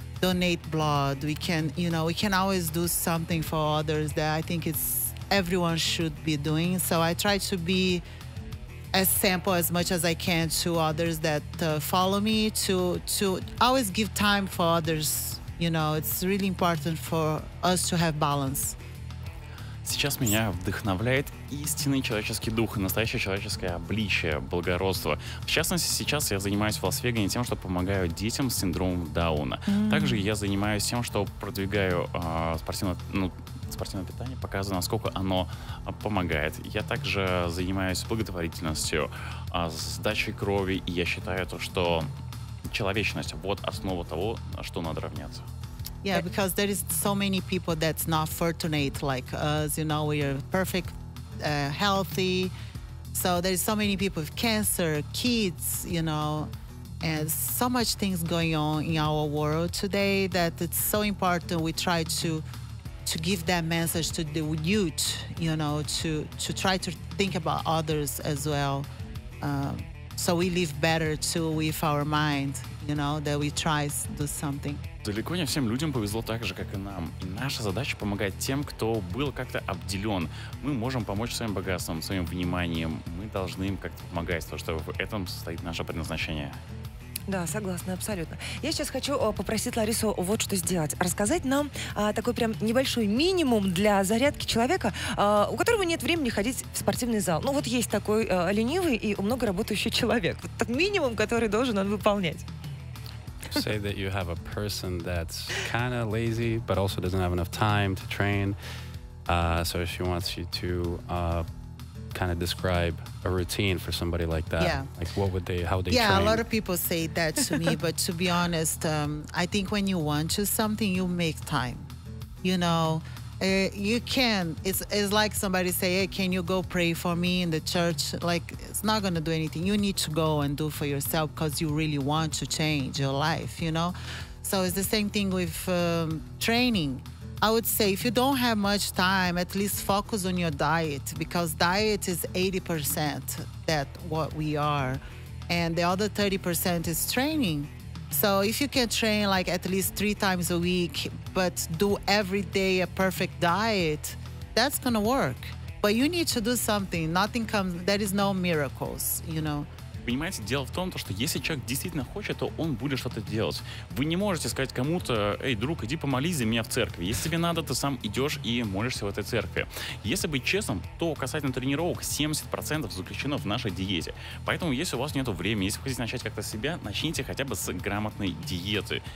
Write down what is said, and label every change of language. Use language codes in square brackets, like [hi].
[en] Donate blood, we can, you know, we can always do something for others that I think it's everyone should be doing. So I try to be a sample as much as I can to others that follow me, to always give time for others. You know, it's really important for us to have balance. [ru] Сейчас меня вдохновляет истинный человеческий дух, настоящее человеческое обличие, благородство. В частности, сейчас я занимаюсь в Лас-Вегасе тем, что помогаю детям с синдромом Дауна. Mm-hmm. Также я занимаюсь тем, что продвигаю спортивное питание, показываю, насколько оно помогает. Я также занимаюсь благотворительностью, сдачей крови, и я считаю то, что человечность — вот основа того, на что надо равняться. [en] Yeah, because there is so many people that's not fortunate like us, you know, we are perfect, healthy. So there is so many people with cancer, kids, you know, and so much things going on in our world today that it's so important we try to give that message to the youth, you know, to try to think about others as well. So we live better too with our mind, you know, that we try to do something. [ru] Далеко не всем людям повезло так же, как и нам. И наша задача — помогать тем, кто был как-то обделен. Мы можем помочь своим богатством, своим вниманием. Мы должны им как-то помогать, потому что в этом состоит наше предназначение. Да, согласна, абсолютно. Я сейчас хочу попросить Ларису вот что сделать. Рассказать нам такой прям небольшой минимум для зарядки человека, у которого нет времени ходить в спортивный зал. Ну вот есть такой ленивый и много работающий человек. Вот так минимум, который должен он выполнять. [en] Say that you have a person that's kind of lazy, but also doesn't have enough time to train. So she wants you to kind of describe a routine for somebody like that. Yeah. Like what would they, how would they train? Yeah, a lot of people say that to me, but to be honest, I think when you want to something, you make time. You know, you can, it's like somebody say, hey, can you go pray for me in the church? Like, it's not going to do anything. You need to go and do for yourself because you really want to change your life, you know? So it's the same thing with training. I would say if you don't have much time, at least focus on your diet, because diet is 80% that what we are. And the other 30% is training. So if you can train like at least 3 times a week, but do every day a perfect diet, that's gonna work. But you need to do something. Nothing comes, there is no miracles, you know. [ru] Понимаете, дело в том, что если человек действительно хочет, то он будет что-то делать. Вы не можете сказать кому-то: «Эй, друг, иди помолись за меня в церкви». Если тебе надо, ты сам идешь и молишься в этой церкви. Если быть честным, то касательно тренировок, 70% заключено в нашей диете. Поэтому, если у вас нет времени, если вы хотите начать как-то себя, начните хотя бы с грамотной диеты.